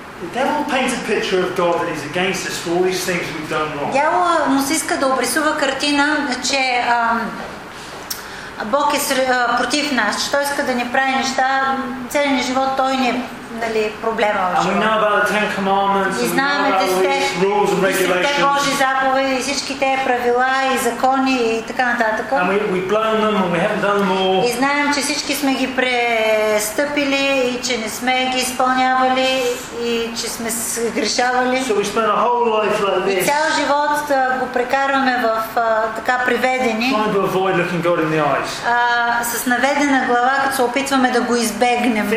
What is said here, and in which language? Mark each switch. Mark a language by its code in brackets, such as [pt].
[en] The devil paints a picture of God that is against us for all these things we've done wrong. [bg] Дявола му се иска да обрисува картина, че Бог е против нас, че той иска да ни прави неща, целия ни живот той ни е, нали, проблема в живота. [en] And we know about the Ten Commandments, [bg] и знаем тези [en] rules and regulations. [bg] Божи заповеди, всички тези правила и закони и така нататък. [en] And we've blown them and we haven't done them all. [bg] И знаем, че всички сме ги престъпили и че не сме ги изпълнявали и че сме грешавали. [en] So we spend a whole life like this. [bg] И цял живот го прекарваме в така приведени. [en] Trying to avoid looking God in the eyes. [bg] С наведена глава, като се опитваме да го избегнем